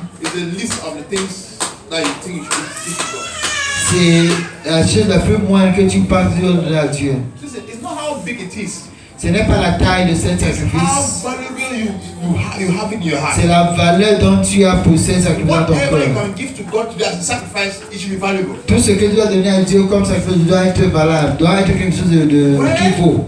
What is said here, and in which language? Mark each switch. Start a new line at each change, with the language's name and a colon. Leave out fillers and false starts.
English: It's the list of the things that you think you should give to God.
French: C'est la chose la plus moindre que tu penses de donner à Dieu.
English: Listen, it's not how big it is.
French: Ce n'est pas la taille de cet sacrifice.
English: How valuable you have in your heart.
French: C'est la valeur dont tu as pour ce sacrifice dans ton cœur.
English: Whatever you can give to God today as a sacrifice, it should be valuable.
French: Tout ce que tu as donné à Dieu comme sacrifice doit être valable, doit être quelque chose de qu'il faut.